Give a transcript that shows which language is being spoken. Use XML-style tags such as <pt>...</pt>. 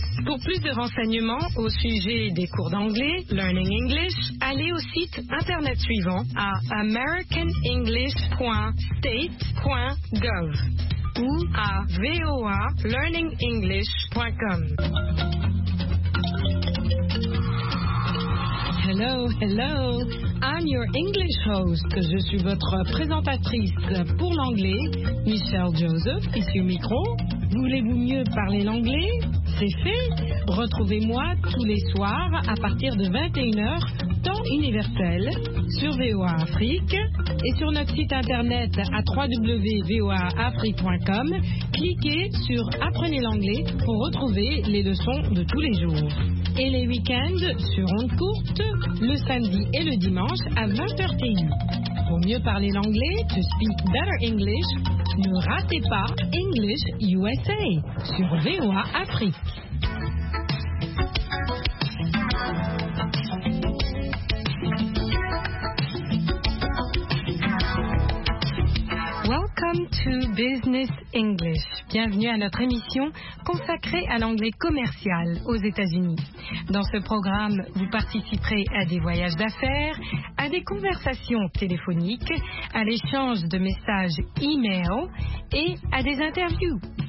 <fr>Pour plus de renseignements au sujet des cours d'anglais, Learning English, allez au site internet suivant à americanenglish.state.gov ou à voalearningenglish.com.</fr> <en>Hello, hello, I'm your English host.</en> <fr>Je suis votre présentatrice pour l'anglais, Michelle Joseph, ici au micro. Voulez-vous mieux parler l'anglais? C'est fait. Retrouvez-moi tous les soirs à partir de 21h, temps universel, sur VOA Afrique et sur notre site internet à www.voaafrique.com. Cliquez sur Apprenez l'anglais pour retrouver les leçons de tous les jours. Et les week-ends sur Onde Courte, le samedi et le dimanche à 20h TU. Pour mieux parler l'anglais,</fr> <en>to speak better English,</en> <fr>ne ratez pas English USA sur VOA Afrique.</fr> <en>Welcome to Business English.</en> <fr>Bienvenue à notre émission consacrée à l'anglais commercial aux États-Unis. Dans ce programme, vous participerez à des voyages d'affaires, à des conversations téléphoniques, à l'échange de messages e-mail et à des interviews.</fr>